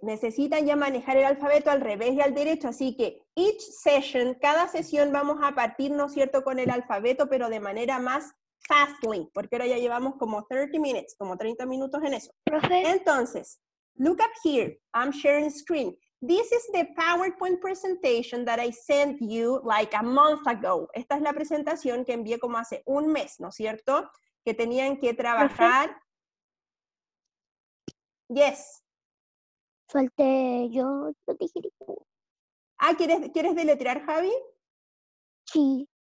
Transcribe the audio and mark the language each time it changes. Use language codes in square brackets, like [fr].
[es] Necesitan ya manejar el alfabeto al revés y al derecho. Así que [en] each session, [es] cada sesión vamos a partir, ¿no es cierto?, con el alfabeto, pero de manera más fastly, porque ahora ya llevamos como 30 minutes, como 30 minutos en eso. ¿Profe? [en] Entonces, look up here. I'm sharing screen. This is the PowerPoint presentation that I sent you like a month ago. [es] Esta es la presentación que envié como hace un mes, ¿no es cierto? Que tenían que trabajar. ¿Profe? [en] Yes. [es] Falté yo, lo dije. Ah, ¿quieres deletrear, Javi? Sí.